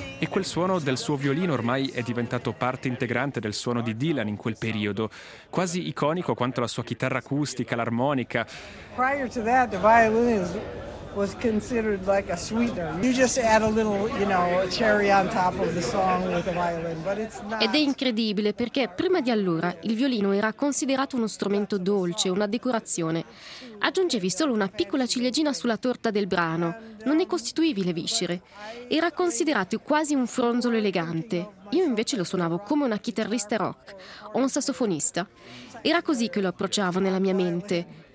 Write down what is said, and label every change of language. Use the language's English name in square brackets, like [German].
[Italian] Quel suono del suo violino ormai è diventato parte integrante del suono di Dylan in quel periodo, quasi iconico quanto la sua chitarra acustica, l'armonica. [English] Prior to that, the violin was considered like a sweetener. You just add a little, you know, cherry on top of the song with the violin, but it's not. [Italian] Ed è incredibile perché prima di allora il violino era considerato uno strumento dolce, una decorazione. Aggiungevi solo una piccola ciliegina sulla torta del brano, non ne costituivi le viscere. Era considerato quasi un fronzolo elegante. Io invece lo suonavo come una chitarrista rock o un sassofonista. Era così che lo approcciavo nella mia mente.